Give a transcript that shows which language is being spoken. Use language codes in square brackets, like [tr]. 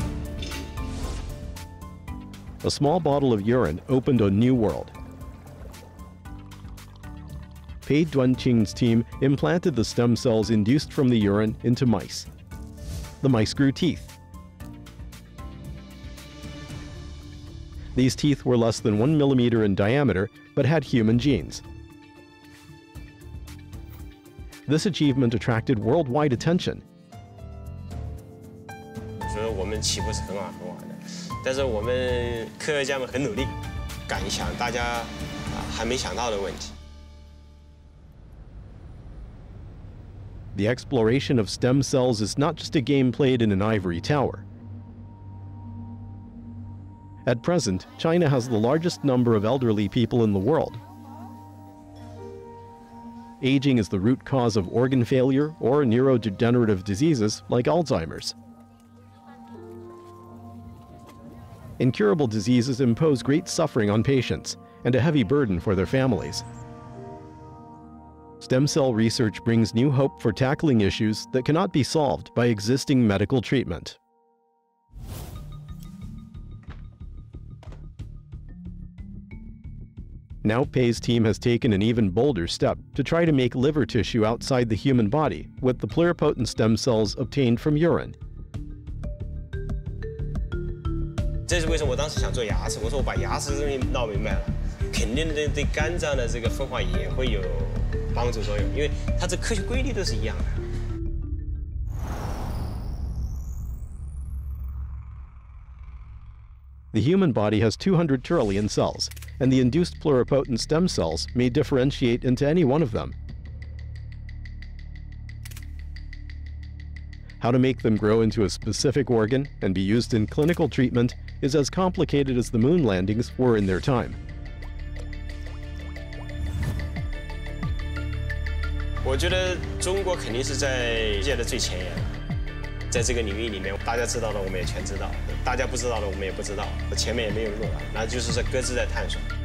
[zh] 也是在文献里面看到这个尿里面可能有活细胞，那后来我们很快就把这个尿液里面的活细胞呢变成了这样一个细胞的样子，所以那个时候我们突破的时候也很兴奋，因为尿液的来源就太广泛了嘛，对不对？A [en] small bottle of urine opened a new world. Pei Duanqing's team implanted the stem cells induced from the urine into mice. The mice grew teeth. These teeth were less than 1 millimeter in diameter, but had human genes. This achievement attracted worldwide attention. [zh] 岂不是很好很好的？但是我们科学家们很努力，敢想大家还没想到的问题。 [en] The exploration of stem cells is not just a game played in an ivory tower. At present, China has the largest number of elderly people in the world. Aging is the root cause of organ failure or neurodegenerative diseases like Alzheimer's. Incurable diseases impose great suffering on patients and a heavy burden for their families. Stem cell research brings new hope for tackling issues that cannot be solved by existing medical treatment. Now Pei's team has taken an even bolder step to try to make liver tissue outside the human body with the pluripotent stem cells obtained from urine. This is why I wanted to do teeth. I said, I got the teeth thing down. Definitely, the fermentation of the liver will also have. [zh] 帮助作用，因为它这科学规律都是一样的。 [en] The human body has 200 trillion cells, and the induced pluripotent stem cells may differentiate into any one of them. How to make them grow into a specific organ and be used in clinical treatment is as complicated as the moon landings were in their time. [zh] 我觉得中国肯定是在世界的最前沿，在这个领域里面，大家知道的我们也全知道，大家不知道的我们也不知道，前面也没有路了，那就是在各自在探索。